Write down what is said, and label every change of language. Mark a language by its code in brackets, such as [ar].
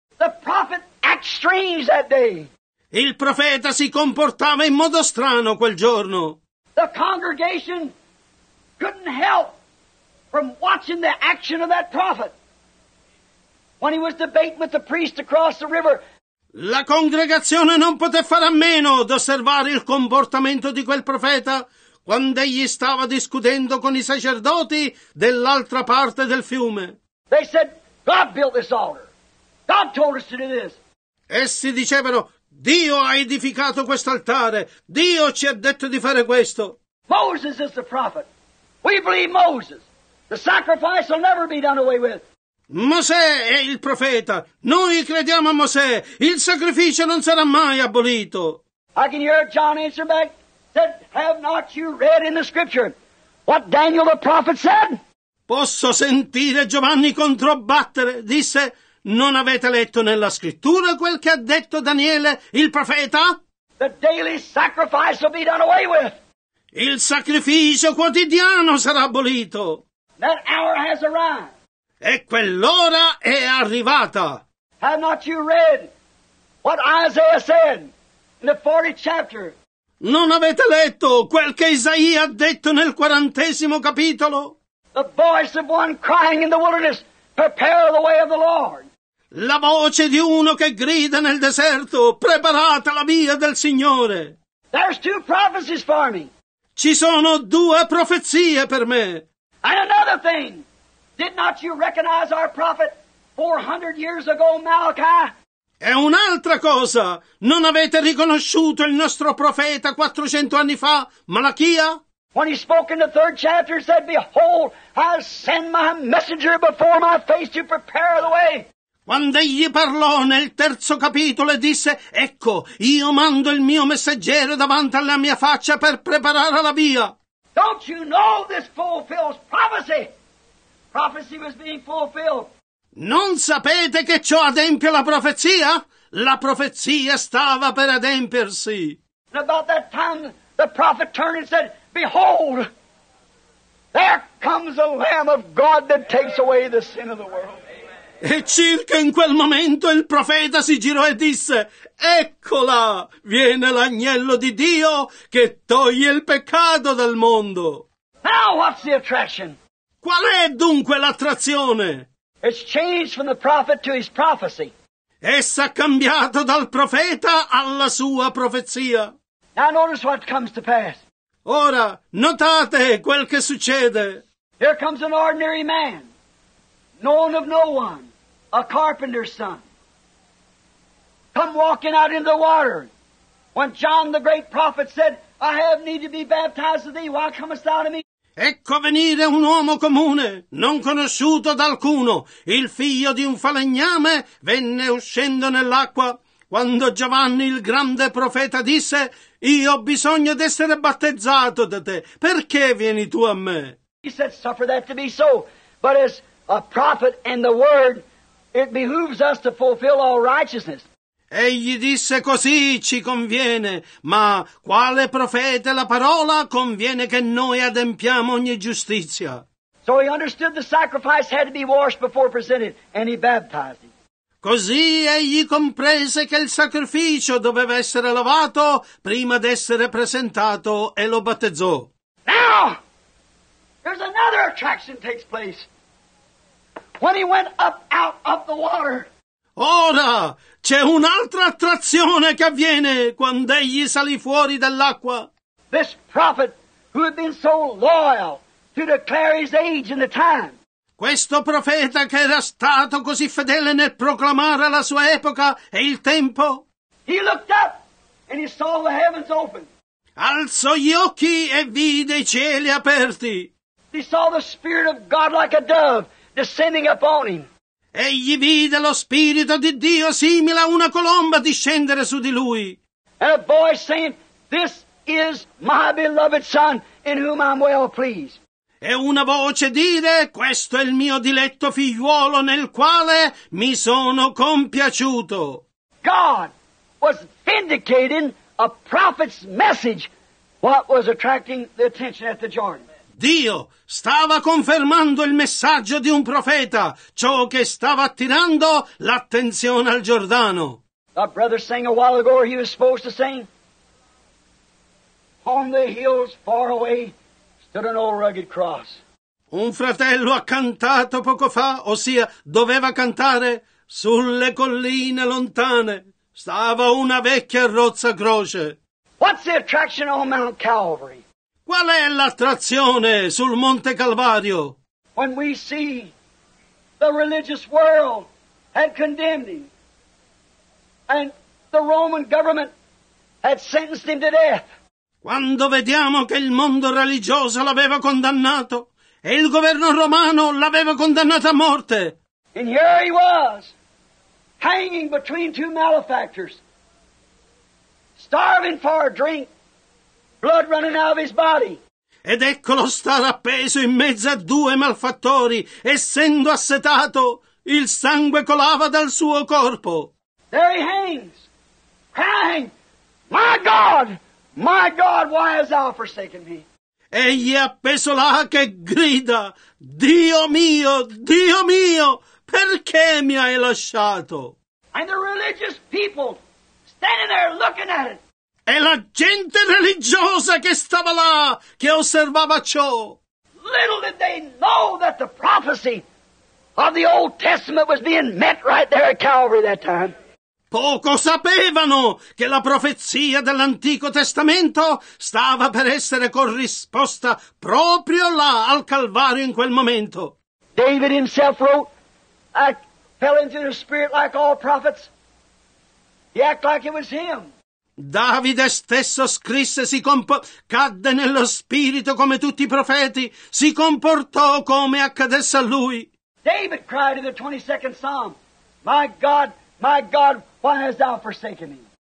[en] The prophet acted strange that day. [it] Il profeta si comportava in modo strano quel giorno. [en] The congregation couldn't help from watching the action of that prophet when he was debating with the priest across the river. [it] La congregazione non poté fare a meno d'osservare il comportamento di quel profeta quando egli stava discutendo con i sacerdoti dell'altra parte del fiume. [en] They said, God built this altar. God told us to do this. [it] Essi dicevano, Dio ha edificato quest'altare. Dio ci ha detto di fare questo. [en] Moses is the prophet. We believe Moses. The sacrifice will never be done away with. [it] Mosè è il profeta. Noi crediamo a Mosè. Il sacrificio non sarà mai abolito. [en] I can hear John answer back. Said, have not you read in the scripture what Daniel the prophet said? [it] Posso sentire Giovanni controbattere. Disse, non avete letto nella scrittura quel che ha detto Daniele, il profeta? [en] The daily sacrifice will be done away with. [it] Il sacrificio quotidiano sarà abolito. [en] That hour has arrived. [it] E quell'ora è arrivata. [en] Have not you read what Isaiah said in the 40th chapter? [it] Non avete letto quel che Isaia ha detto nel 40° capitolo? [en] The voice of one crying in the wilderness. Prepare the way of the Lord. [it] La voce di uno che grida nel deserto, preparate la via del Signore. [en] There's two prophecies for me. [it] Ci sono due profezie per me. [en] And another thing. Did not you recognize our prophet 400 years ago, Malachi? [it] E un'altra cosa. Non avete riconosciuto il nostro profeta 400 anni fa, Malachia? [en] When he spoke in the third chapter, he said, Behold, I send my messenger before my face to prepare the way. [it] Quando egli parlò nel terzo capitolo e disse, Ecco, io mando il mio messaggero davanti alla mia faccia per preparare la via. [en] Don't you know this fulfills prophecy? Prophecy was being fulfilled. [it] Non sapete che ciò adempie la profezia? La profezia stava per adempersi. [en] And about that time, the prophet turned and said, Behold, there comes the Lamb of God that takes away the sin of the world. [it] E circa in quel momento il profeta si girò e disse, Eccola, viene l'agnello di Dio che toglie il peccato dal mondo. [en] Now what's the attraction? [it] Qual è dunque l'attrazione? [en] It's changed from the prophet to his prophecy. [it] Essa ha cambiato dal profeta alla sua profezia. [en] Now notice what comes to pass. [it] Ora, notate quel che succede. [en] Here comes an ordinary man. Known of no one, a carpenter's son, come walking out in the water. When John the great prophet said, I have need to be baptized of thee, why comest thou to me? [it] Ecco venire un uomo comune, non conosciuto da alcuno, il figlio di un falegname, venne uscendo nell'acqua. Quando Giovanni il grande profeta disse, Io ho bisogno d'essere battezzato da te, perché vieni tu a me? [en] He said, Suffer that to be so, but as a prophet and the word, it behooves us to fulfill all righteousness. [it] Egli disse così, ci conviene, ma quale profeta la parola conviene che noi adempiamo ogni giustizia. [en] So he understood the sacrifice had to be washed before presented, and he baptized him. [it] Così egli comprese che il sacrificio doveva essere lavato prima d'essere presentato e lo battezzò. [en] Now, there's another attraction takes place. When he went up out of the water. [it] Ora c'è un'altra attrazione che avviene quando egli salì fuori dall'acqua. [en] This prophet who had been so loyal to declare his age and the time. [it] Questo profeta che era stato così fedele nel proclamare la sua epoca e il tempo. [en] He looked up and he saw the heavens open. [it] Alzò gli occhi e vide i cieli aperti. [en] He saw the Spirit of God like a dove. Descending upon him. [it] Egli vide lo spirito di Dio simile a una colomba discendere su di lui. [en] And a voice saying, "This is my beloved son, in whom I'm well pleased." [it] E una voce dire, "Questo è il mio diletto figliuolo nel quale mi sono compiaciuto." [en] God was vindicating a prophet's message, what was attracting the attention at the Jordan. [it] Dio stava confermando il messaggio di un profeta, ciò che stava attirando l'attenzione al Giordano. [en] Our brother sang a while ago, he was supposed to sing. On the hills far away stood an old rugged cross. [it] Un fratello ha cantato poco fa, ossia doveva cantare, sulle colline lontane stava una vecchia rozza croce. [en] What's the attraction on Mount Calvary? [it] Qual è l'attrazione sul Monte Calvario? [en] When we see the religious world had condemned him and the Roman government had sentenced him to death. [it] Quando vediamo che il mondo religioso l'aveva condannato e il governo romano l'aveva condannato a morte. [en] And here he was, hanging between two malefactors, starving for a drink. Blood running out of his body. [it] Ed eccolo stare appeso in mezzo a due malfattori, essendo assetato, il sangue colava dal suo corpo. [en] There he hangs, crying, my God, why hast thou forsaken me? [it] Egli è appeso là che grida, Dio mio, perché mi hai lasciato? [en] And the religious people, standing there looking at it. [it] E la gente religiosa che stava là, che osservava ciò. [en] Little did they know that the prophecy of the Old Testament was being met right there at Calvary that time. [it] Poco sapevano che la profezia dell'Antico Testamento stava per essere corrisposta proprio là al Calvario in quel momento. [en] David himself wrote, "I fell into the spirit like all prophets." He acted like it was him. [it] Davide stesso scrisse, cadde nello spirito come tutti i profeti, si comportò come accadesse a lui. [en] David cried in the 22nd Psalm, my God, why hast thou forsaken me?